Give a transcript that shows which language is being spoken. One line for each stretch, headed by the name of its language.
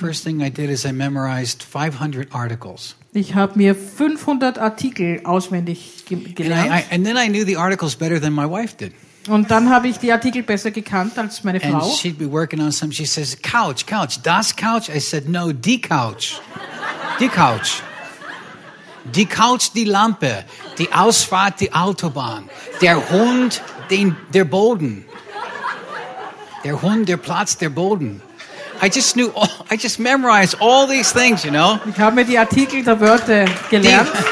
English: First thing I did is I memorized 500 articles.
German: Ich habe mir 500 Artikel auswendig gelernt.
English: And then I knew the articles better than my wife did.
German: Und dann habe ich die Artikel besser gekannt als meine Frau.
English: And she'd be working on something. She says, "Couch, couch,
German: das Couch."
English: I said, "No,
German: die Couch, die Couch." Die Couch, die Lampe, die Ausfahrt, die Autobahn, der Hund, der Boden. Der Hund, der Platz, der Boden.
English: I just memorized all these things, you know.
German: Ich habe mir die Artikel der Wörter gelernt.